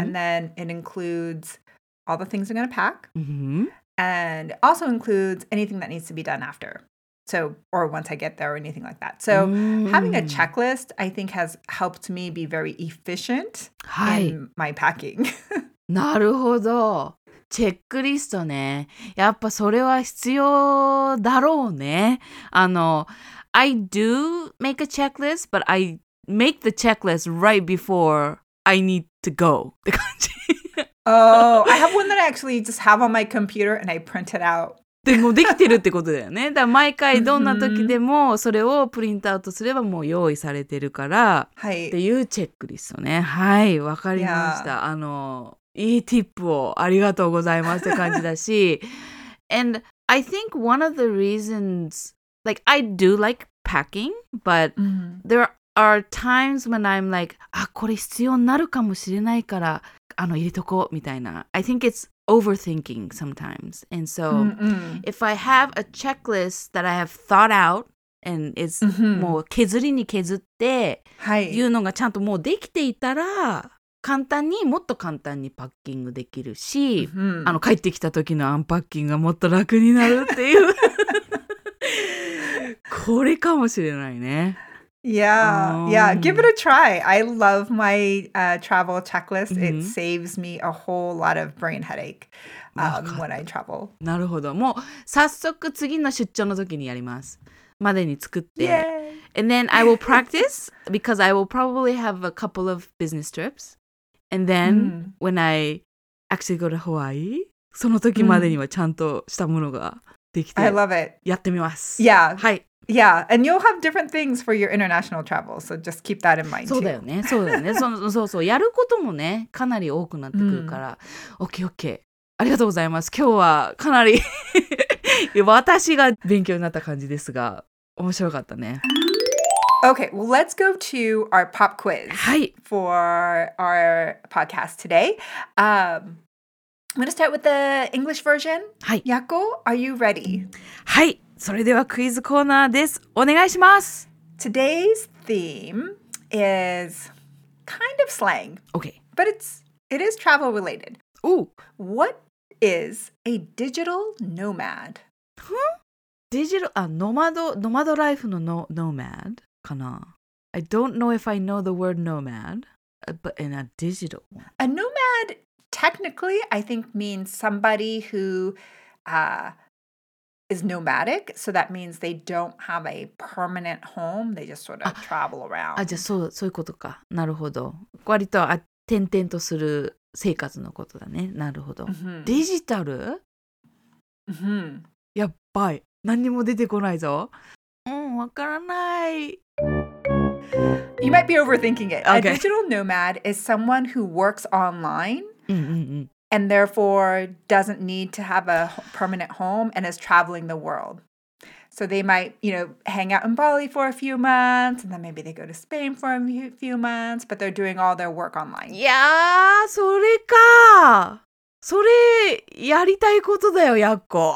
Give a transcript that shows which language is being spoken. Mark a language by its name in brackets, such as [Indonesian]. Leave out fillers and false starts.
[English] And then it includes all the things I'm going to pack. Mm-hmm. And also includes anything that needs to be done after. So, or once I get there or anything like that. So having a checklist, I think, has helped me be very efficient in my packing. [Japanese] なるほど。チェックリストね。やっぱそれは必要だろうね。 [English] I do make a checklist, but I make the checklist right before I need to go. [Japanese] って感じ。 [English] Oh, I have one that I actually just have on my computer and I print it out. [Japanese] でもできてるってことだよね。だから毎回どんな時でもそれをプリントアウトすればもう用意されてるから。はい。っていうチェックリストね。はい、わかりました。 [English] Yeah. [Japanese] いいティップをありがとうございますって感じだし [English] And I think one of the reasons like I do like packing but、 mm-hmm. there are times when I'm like [Japanese] あこれ必要になるかもしれないから入れとこうみたいな [English] I think it's overthinking sometimes and so、 mm-hmm. if I have a checklist that I have thought out and it's、 mm-hmm. [Japanese] もう削りに削って、はい、いうのがちゃんともうできていたら簡単にもっと簡単にパッキングできるし、 [English] mm-hmm. [Japanese] 帰ってきた時のアンパッキングがもっと楽になるっていうこれかもしれないね。 [English] Yeah, yeah. Give it a try. I love my travel checklist. It、mm-hmm. saves me a whole lot of brain headache、when I travel. [Japanese] なるほど。もう早速次の出張の時にやります。までに作って。 [English] Yay. And then I will practice because I will probably have a couple of business trips. And then,、mm. when I actually go to Hawaii, [Japanese] その時までにはちゃんとしたものができて、 [English] I love it. [Japanese] やってみます。 [English] Yeah. [Japanese] はい。 [English] Yeah. And you'll have different things for your international travel, so just keep that in mind, [Japanese] too. そうだよね。そうだよね。そう。やることもね、かなり多くなってくるから。 [English] Mm. OK, OK. [Japanese] ありがとうございます。今日はかなり私が勉強になった感じですが、面白かったね。 [English] Okay, well, let's go to our pop quiz、 [Japanese] はい、 [English] for our podcast today.、I'm going to start with the English version. [Japanese] はい。 [English] Yako, are you ready? [Japanese] はい。それではクイズコーナーです。お願いします。 [English] Today's theme is kind of slang. Okay. But it is travel related. Ooh. What is a digital nomad? Huh? Digital, nomad life の nomad? I don't know if I know the word nomad, but in a digital one. A nomad, technically, I think means somebody who is nomadic. So that means they don't have a permanent home. They just sort of travel around. [Japanese] じゃあそういうことか。なるほど。割と転々とする生活のことだね。なるほど。 [English] Mm-hmm. [Japanese] デジタル？ [English] Mm-hmm. [Japanese] やばい。何にも出てこないぞ。 [English] Mm-hmm. [Japanese] わからない。 [English] You might be overthinking it. Okay. A digital nomad is someone who works online and therefore doesn't need to have a permanent home and is traveling the world. So they might, you know, hang out in Bali for a few months and then maybe they go to Spain for a few months, but they're doing all their work online. [Japanese] Yeah, それか。それやりたいことだよ、ヤッコ。